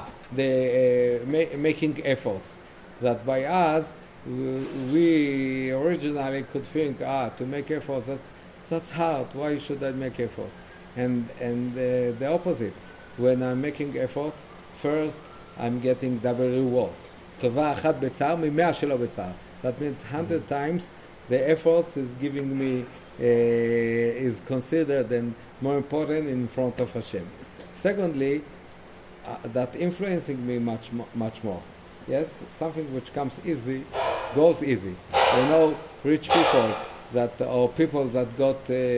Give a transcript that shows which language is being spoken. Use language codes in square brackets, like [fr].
[en] Making efforts. That by us, we originally could think, to make efforts, that's hard. Why should I make efforts? And the opposite. When I'm making effort, first I'm getting double reward. [he] טובה אחת בצער ממאה שלא בצער. [en] That means 100 times the effort is giving me is considered and more important in front of Hashem. Secondly, that influencing me much more. Yes, something which comes easy goes easy. You know, rich people that got.